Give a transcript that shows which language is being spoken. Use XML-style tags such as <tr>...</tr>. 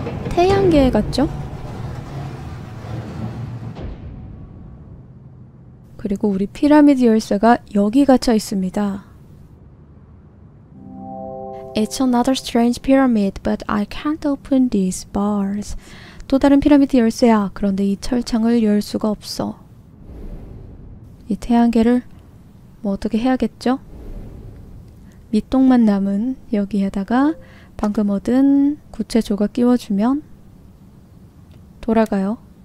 <ko>태양계 같죠? 그리고 우리 피라미드 열쇠가 여기 갇혀 있습니다.</ko> <en>It's another strange pyramid, but I can't open these bars.</en> <ko>또 다른 피라미드 열쇠야. 그런데 이 철창을 열 수가 없어. 이 태양계를 뭐 어떻게 해야겠죠? 밑동만 남은 여기에다가 방금 얻은 구체 조각 끼워주면 돌아가요.</ko>